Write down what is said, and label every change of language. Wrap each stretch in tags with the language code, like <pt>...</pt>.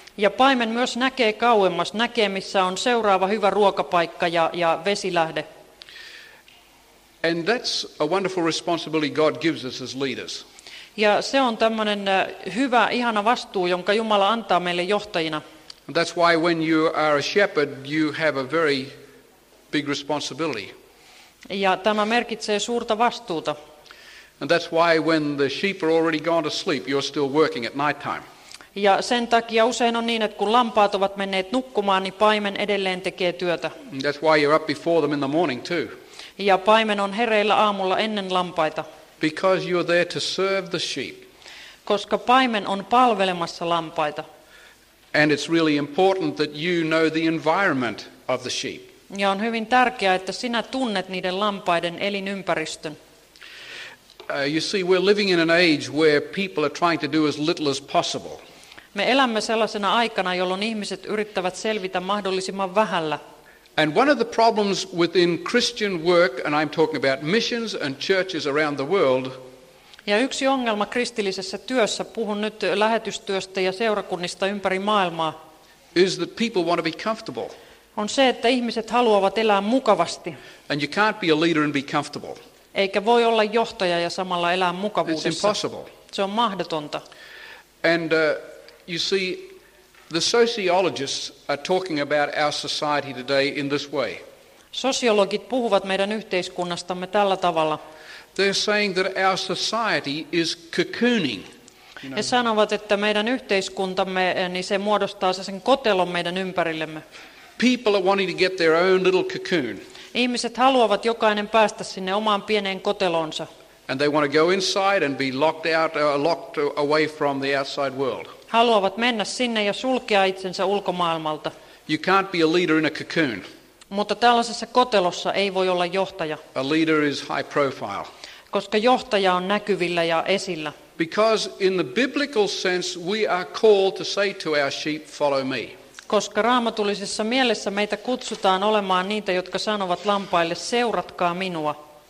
<fi>Ja paimen myös näkee kauemmas, näkee missä on seuraava hyvä ruokapaikka ja vesilähde.</fi> <en>And that's a wonderful responsibility God gives us as leaders.</en> <fi>Ja se on tämmöinen hyvä, ihana vastuu, jonka Jumala antaa meille johtajina.</fi> <en>And that's why when you are a shepherd, you have a very big responsibility.</en> <fi>Ja tämä merkitsee suurta vastuuta.</fi> <en>And that's why when the sheep are already gone to sleep, you're still working at night time.</en> <fi>Ja sen takia usein on niin, että kun lampaat ovat menneet nukkumaan, niin paimen edelleen tekee työtä.</fi> <en>And that's why you're up before them in the morning too.</en> <fi>Ja paimen on hereillä aamulla ennen lampaita.</fi> <en>Because you're there to serve the sheep.</en> <fi>Koska paimen on palvelemassa lampaita.</fi> <en>And it's really important that you know the environment of the sheep.</en> <fi>Ja on hyvin tärkeää, että sinä tunnet niiden lampaiden elinympäristön.</fi> <en>You see, we're living in an age where people are trying to do as little as possible.</en> <fi>Me elämme sellaisena aikana, jolloin ihmiset yrittävät selvitä mahdollisimman vähällä.</fi> <en>And one of the problems within Christian work, and I'm talking about missions and churches around the world.</en> <fi>Ja yksi ongelma kristillisessä työssä, puhun nyt lähetystyöstä ja seurakunnista ympäri maailmaa.</fi> <en>Is that people want to be comfortable.</en> <fi>On se, että ihmiset haluavat elää mukavasti.</fi> <en>And you can't be a leader and be comfortable.</en> <fi>Eikä voi olla johtaja ja samalla elää mukavuudessa.</fi> <en>It's impossible.</en> <fi>Se on mahdotonta.</fi> <en>And you see, the sociologists are talking about our society today in this way.</en> <fi>Sosiologit puhuvat meidän yhteiskunnastamme tällä tavalla.</fi> <en>They're saying that our society is cocooning.</en> <fi>He sanovat, että meidän yhteiskuntamme, niin se muodostaa sen kotelon meidän ympärillemme.</fi> <en>People are wanting to get their own little cocoon.</en> <fi>Ihmiset haluavat jokainen päästä sinne omaan pieneen koteloonsa.</fi> <en>And they want to go inside and be locked out, locked away from the outside world.</en> <fi>Haluavat mennä sinne ja sulkea itsensä ulkomaailmalta.</fi> <en>You can't be a leader in a cocoon.</en> <fi>Mutta tällaisessa kotelossa ei voi olla johtaja.</fi> <en>A leader is high profile.</en> <fi>Koska johtaja on näkyvillä ja esillä.</fi> <en>Because in the biblical sense we are called to say to our sheep, follow me.</en> <fi>Koska raamatullisessa mielessä meitä kutsutaan olemaan niitä, jotka sanovat lampaille, seuratkaa minua.</fi>